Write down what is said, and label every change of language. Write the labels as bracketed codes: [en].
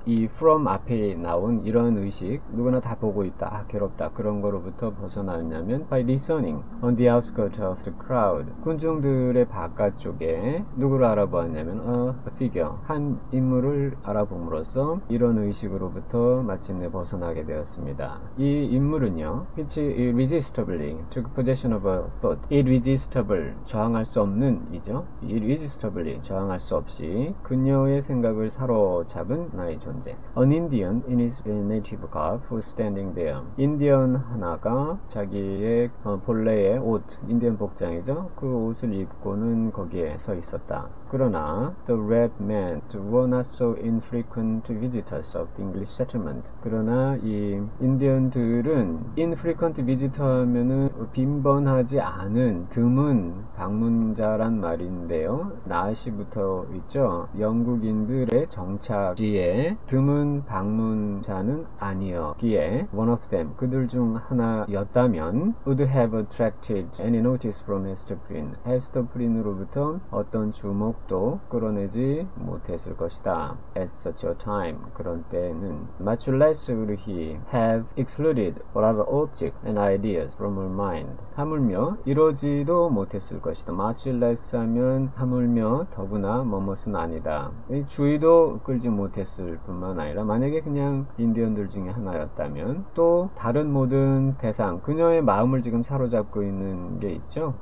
[ko] 이 from 앞에 나온 이런 의식, 누구나 다 보고 있다, 아, 괴롭다, 그런 거로부터 벗어났냐면, [en] by listening on the outskirts of the crowd. [ko] 군중들의 바깥쪽에 누구를 알아보았냐면, [en] a figure. [ko] 한 인물을 알아봄으로써 이런 의식으로부터 마침내 벗어나게 되었습니다. 이 인물은요, [en] which irresistibly took possession of a thought. [ko] irresistible, 저항할 수 없는, 이죠? irresistibly, 저항할 수 없이 그녀의 생각을 사로잡은 나의 존재. [en] An Indian in his native garb who's standing there. [ko] 인디언 하나가 자기의 본래의 옷, 인디언 복장이죠. 그 옷을 입고는 거기에 서 있었다. 그러나 [en] the red man were not so infrequent visitors of the English settlement. [ko] 그러나 이 인디언들은 infrequent visitor 하면은 빈번하지 않은 드문 방문자란 말인데요. 나시부터 있죠. 영국인들의 정착지에 드문 방문자는 아니었기에 [en] one of them [ko] 그들 중 하나였다면 [en] would have attracted any notice from Hester Prynne. [ko] Hester Prynne으로부터 어떤 주목도 끌어내지 못했을 것이다. [en] At such a time [ko] 그런 때에는 [en] much less would he have excluded whatever objects and ideas from her mind. [ko] 하물며 이러지도 못했을 것이다. [en] much less [ko] 하면 하물며 더구나 뭐뭇은 아니다. 주의도 끌지 못했을 뿐만 아니라 만약에 그냥 인디언들 중에 하나였다면 또 다른 모든 대상 그녀의 마음을 지금 사로잡고 있는 게 있죠.